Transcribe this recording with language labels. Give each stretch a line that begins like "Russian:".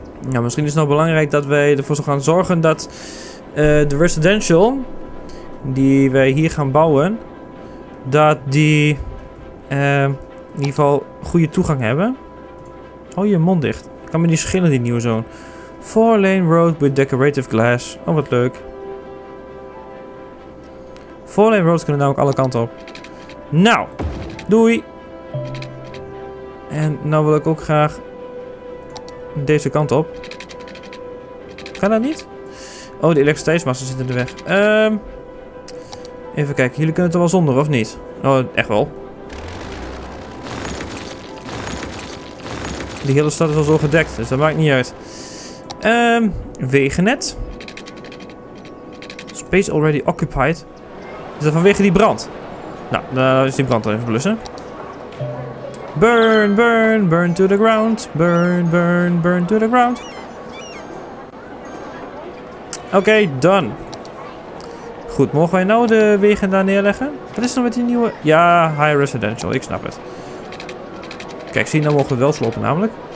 Dutch: Ja, misschien is het nou belangrijk dat wij ervoor gaan zorgen dat de residential die wij hier gaan bouwen, dat die in ieder geval goede toegang hebben. Hou je mond dicht. Ik kan me niet schillen, die nieuwe zoon.
English: 4-lane road with decorative glass.
Dutch: Oh, wat leuk. 4-lane roads kunnen namelijk alle kanten op. Nou, doei. En nou wil ik ook graag deze kant op. Kan dat niet? Oh, de elektriciteitsmasten zitten in de weg. Even kijken, jullie kunnen het er wel zonder, of niet? Oh, echt wel. Die hele stad is al zo gedekt, dus dat maakt niet uit. Wegennet.
English: Space already occupied.
Dutch: Is dat vanwege die brand? Nou, dan is die brand dan even blussen.
English: Burn, burn, burn to the ground. Burn, burn, burn to the ground.
Dutch: Oké, done. Goed, mogen wij nou de wegen daar neerleggen? Wat is er met die nieuwe... Ja, high residential, ik snap het. Kijk, zie je, nou mogen we wel slopen namelijk.